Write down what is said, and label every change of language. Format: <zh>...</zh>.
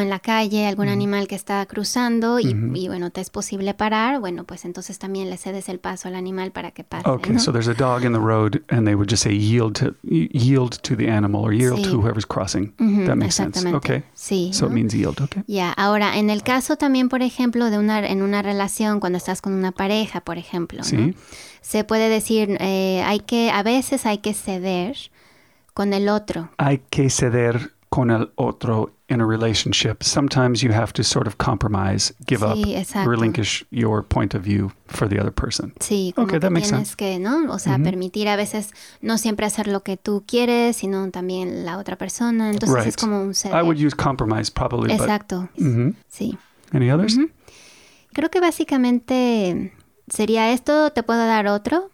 <es>En la calle, algún animal que está cruzando y bueno, te es posible parar, bueno, pues entonces también le cedes el paso al animal para que pase.</es> <en>Okay,</en> <es>¿no?</es> <en>So there's a dog in the road and they would just say yield to the animal or yield to whoever's crossing. That makes sense. Okay.</en> <es>Sí.</es> <en>So it means yield, okay. Yeah.</en> <es>Ahora, en el caso también, por ejemplo, de una en una relación cuando estás con una pareja, por ejemplo, ¿no? Se puede decir a veces hay que ceder con el otro. Hay que ceder con el otro.</es> <en>In a relationship, sometimes you have to sort of compromise, give up, relinquish your point of view for the other person.</en> <es>Sí, como</es> <en>okay, that makes sense.</en> <es>Que, ¿no? O sea, permitir a veces no siempre hacer lo que tú quieres, sino también la otra persona. Entonces es como un ceder.</es> <en>I would use compromise probably.</en> <es>Exacto.</es> <en>But,</en> <es>sí.</es> <en>Any others?</en> <es>Creo que básicamente sería esto. Te puedo dar otro.</es>